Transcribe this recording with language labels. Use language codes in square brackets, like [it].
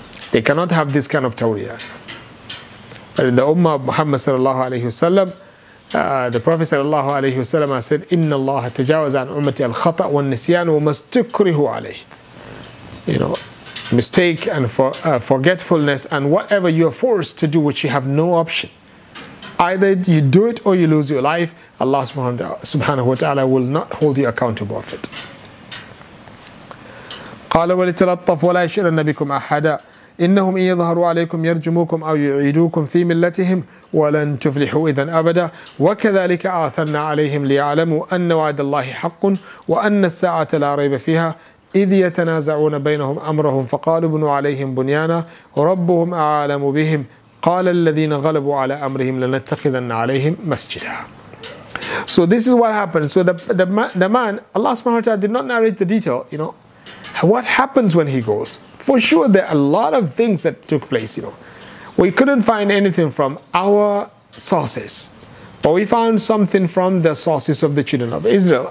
[en] They cannot have this kind of tawriyah. But in the Ummah of Muhammad sallallahu alayhi wa sallam, the Prophet sallallahu alayhi wa sallam has said, [ar] إِنَّ اللَّهَ تَجَاوَزَ عَنْ أُمَّتِي الْخَطَأْ وَالنِّسْيَانُ وَمَسْتُكْرِهُ عَلَيْهِ. [en] You know, mistake and forgetfulness and whatever you are forced to do, which you have no option. Either you do it or you lose your life, Allah subhanahu wa ta'ala will not hold you accountable of it. [ar] قَالَ وَلِتَلَطَّفْ وَلَا يَشْرَنَّ بِكُمْ أَحَدًا إنهم إن يظهروا عليكم يرجموكم أو يعيدوكم في ملتهم ولن تفلحوا إذا أبدا وكذلك آثرنا عليهم ليعلموا أن وعد الله حق وأن الساعة لا ريب فيها إذ يتنازعون بينهم أمرهم فقالوا بنوا عليهم بنيانا ربهم أعلم بهم قال الذين غلبوا على أمرهم لنتخذن عليهم مسجدا. [en] So this is what happened. So the man, Allah subhanahu wa ta'ala did not narrate the detail, you know. What happens when he goes? For sure, there are a lot of things that took place, you know. We couldn't find anything from our sources, but we found something from the sources of the children of Israel.